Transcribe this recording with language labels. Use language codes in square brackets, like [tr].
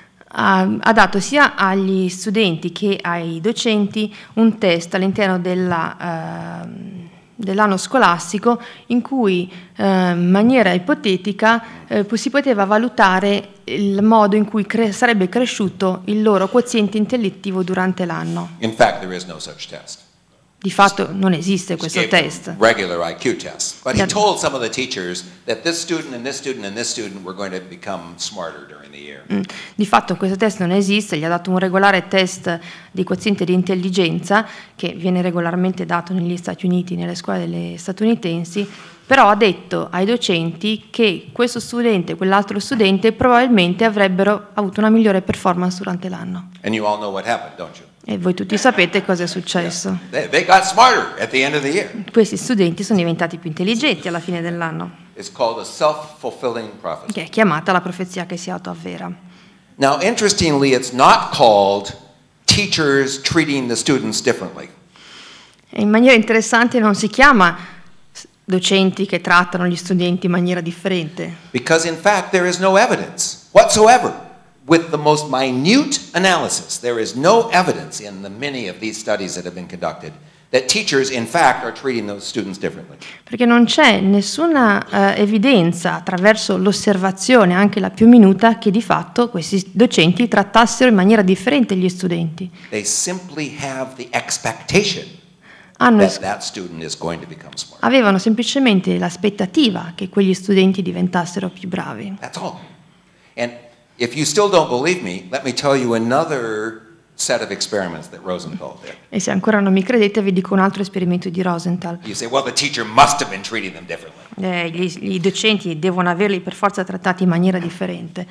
[it] Ha dato sia agli studenti che ai docenti un test all'interno dell'anno scolastico in cui in maniera ipotetica si poteva valutare il modo in cui sarebbe cresciuto il loro quoziente intellettivo durante l'anno. [en] In fact, there is no such test. [it] Di fatto non esiste questo test. [en] Regular IQ test. But he told some of the teachers that this student and this student and this student were going to become smarter during the year. [it] Di fatto questo test non esiste, gli ha dato un regolare test di quoziente di intelligenza che viene regolarmente dato negli Stati Uniti, nelle scuole delle statunitensi, però ha detto ai docenti che questo studente e quell'altro studente probabilmente avrebbero avuto una migliore performance durante l'anno. [en] And you all know what happened, don't you? [it] E voi tutti sapete cosa è successo. [en] They got smarter at the end of the year. [it] Questi studenti sono diventati più intelligenti alla fine dell'anno. [en] It's called a self-fulfilling prophecy. [it] Che è chiamata la profezia che si autoavvera. [en] Now, interestingly, it's not called teachers treating the students differently. [it] In maniera interessante non si chiama docenti che trattano gli studenti in maniera differente. [en] Because in fact there is no evidence whatsoever. With the most minute analysis, there is no evidence in the many of these studies that have been conducted that teachers, in fact, are treating those students differently. [it] Perché non c'è nessuna evidenza attraverso l'osservazione, anche la più minuta, che di fatto questi docenti trattassero in maniera differente gli studenti. [en] They simply have the expectation that student is going to become smart. [it] Avevano semplicemente l'aspettativa che quegli studenti diventassero più bravi. [en] That's all. And if you still don't believe me, let me tell you another set of experiments that Rosenthal did. [it] E se ancora non mi credete, vi dico un altro esperimento di Rosenthal. [en] You say, well, the teacher must have been treating them differently. [it] Gli docenti devono averli per forza trattati in maniera differente.